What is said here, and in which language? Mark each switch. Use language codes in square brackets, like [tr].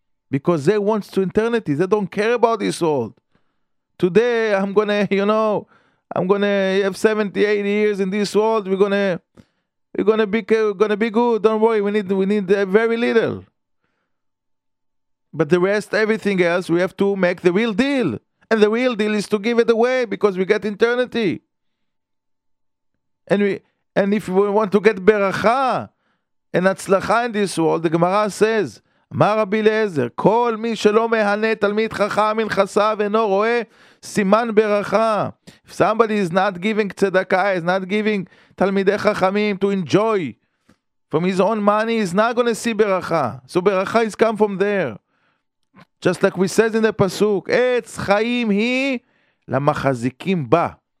[en] Because they want to eternity. They don't care about this world. Today, I'm going to have 70, 80 years in this world. We're going to be good. Don't worry. We need very little. But the rest, everything else, we have to make the real deal. And the real deal is to give it away because we get eternity. And if we want to get beracha and atzlacha in this world, the Gemara says, [he] אמר רבי לעזר, כל מי שלא מהנה תלמיד חכם מן חסיו אינו רואה סימן ברכה. [en] If somebody is not giving tzedakah, is not giving תלמידי חכמים to enjoy from his own money, he's not going to see ברכה. So ברכה is come from there. Just like we said in the pasuk, [he] עץ חיים היא למחזיקים בה.